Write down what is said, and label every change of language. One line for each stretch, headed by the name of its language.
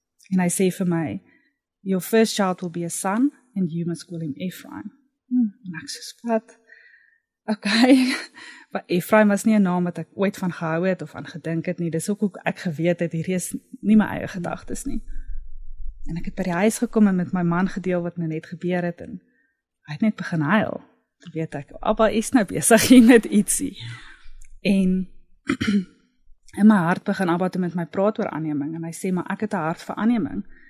Afrikaans: En hy sê vir my,
English: "Your first child will be a son and you must call him Ephraim."
Afrikaans: En ek soos wat? Ok, maar Ephraim was nie 'n naam wat ek ooit van gehou het of aan gedink het nie. Dis ook hoe ek geweet het, hierdie is nie my eie gedagtes nie. En ek het by die huis gekom en met my man gedeel wat nou net gebeur het en hy het net begin huil. Toe weet ek, Abba is nou besig hier met ietsie. En in my hart begin Abba toe met my praat oor aanneming en hy sê, maar ek het 'n hart vir aanneming.